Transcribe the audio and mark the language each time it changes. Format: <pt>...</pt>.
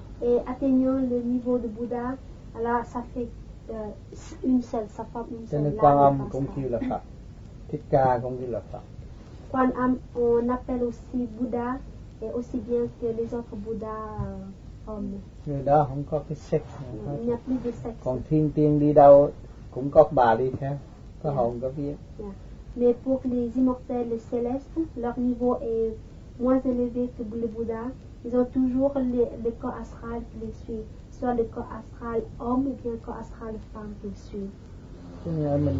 <fr>Et atteignant le niveau de Bouddha, alors ça fait une seule, ça forme une seule.</fr> <vi>Cho nên âm cũng kêu là Phật. Thích Ca cũng kêu là Phật.</vi> <fr>Quan âm on appelle aussi Bouddha et aussi bien que les autres Bouddha hommes.</fr> <vi>Người đó không có cái sex.</vi> <fr>Il n'y a plus de sexe.</fr> <vi>Còn thiên tiên đi đâu cũng có bà đi theo. Yeah. Yeah.</vi> <fr>Mais pour les immortels les célestes, leur niveau est moins élevé que le Bouddha. Ils ont toujours le corps astral qui les suit, soit le corps astral homme ou bien le corps astral femme qui les suit.</fr>